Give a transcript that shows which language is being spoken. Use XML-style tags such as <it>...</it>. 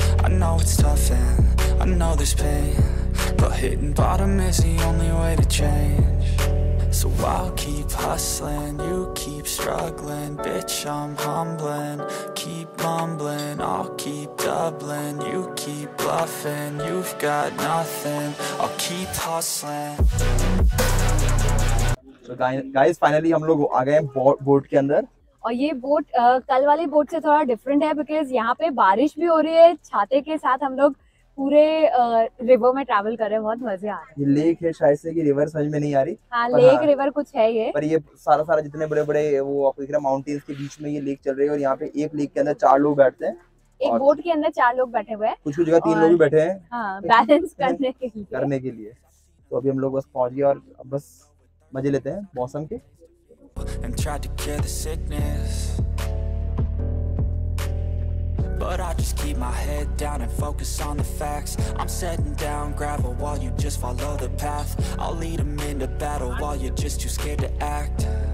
<en>I know it's tough and I know there's pain, but hitting bottom is the only way to change. So I'll keep hustling, you keep struggling, bitch I'm humbling, keep mumbling, I'll keep doubling, you keep bluffing, you've got nothing, I'll keep hustling. So guys, finally</en> <hi>हम लोग आ गए हैं boat के अंदर। और ये boat कल वाली बोट से थोड़ा डिफरेंट है बिकॉज यहाँ पे बारिश भी हो रही है, छाते के साथ हम लोग पूरे रिवर में ट्रैवल कर रहे हैं, बहुत मजे आ रहे हैं। ये लेक है शायद से कि रिवर समझ में नहीं आ रही। हाँ, लेक हाँ, रिवर कुछ है ये, पर ये सारा सारा जितने बड़े बड़े वो आपको दिख रहा माउंटेन्स के बीच में ये लेक चल रही है और यहाँ पे एक लेक के अंदर चार लोग बैठते हैं, एक बोट के अंदर चार लोग बैठे हुए हैं, कुछ कुछ जगह तीन लोग भी बैठे हैं बैलेंस करने के लिए। तो अभी हम लोग बस पहुंच गए और बस मजे लेते हैं मौसम के</hi> <en>and tried to cure the sickness but I just keep my head down and focus on the facts I'm setting down gravel while you just follow the path I'll lead them into battle while you're just too scared to act</en>